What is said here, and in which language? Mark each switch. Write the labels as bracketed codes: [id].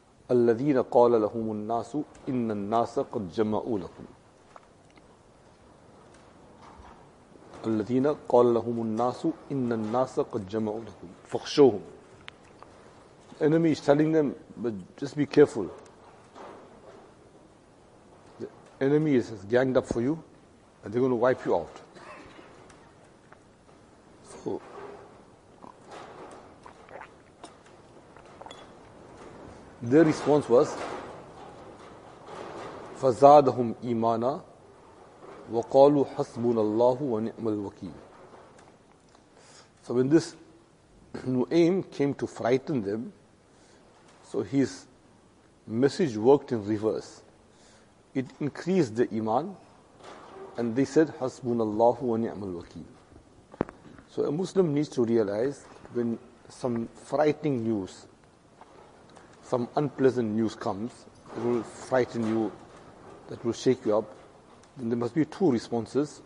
[ar] الَّذِينَ قَالَ لَهُمُ النَّاسُ إِنَّ النَّاسَ قَدْ جَمَعُوا لَكُمْ الَّذِينَ قَالَ لَهُمُ النَّاسُ إِنَّ النَّاسَ قَدْ جَمَعُوا لَكُمْ فَخْشَوْهُمْ. [en] The enemy is telling them, but just be careful. The enemy is ganged up for you, and they're going to wipe you out. So, their response was, [ar] فَزَادَهُمْ إِيمَانًا وَقَالُوا حَسْبُنَ اللَّهُ وَنِعْمَ الْوَكِيلُ. [en] So when this Nu'aym came to frighten them, so his message worked in reverse. It increased the iman, and they said, Hasbunallahu wa ni'mal wakeel. So a Muslim needs to realize, when some frightening news, some unpleasant news comes, it will frighten you, that will shake you up, then there must be two responses.